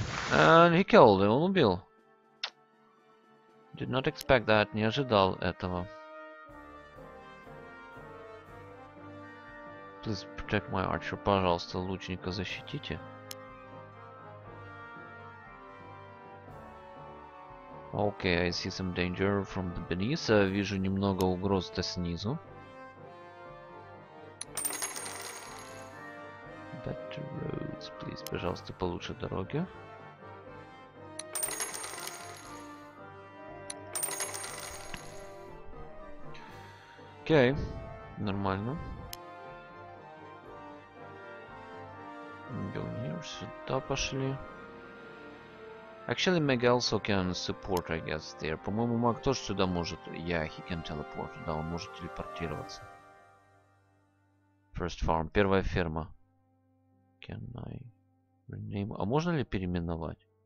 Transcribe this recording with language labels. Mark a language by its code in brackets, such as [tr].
[en] And he killed him, [ru] он убил. [en] Did not expect that, [ru] не ожидал этого. [en] Please protect my archer. [ru] Пожалуйста, лучника защитите. [en] Okay, I see some danger from the beneath. [ru] Вижу немного угроз-то снизу. [en] Better roads, please. [ru] Пожалуйста, получше дороги. Окей, нормально. Идем here, сюда пошли. [en] Actually, Meg also can support, I guess, there. [ru] По-моему, Мак тоже сюда может. [en] Yeah, he can teleport. [ru] Да, он может телепортироваться. [en] First farm. [ru] Первая ферма. [en] Can I rename? [ru] А можно ли переименовать?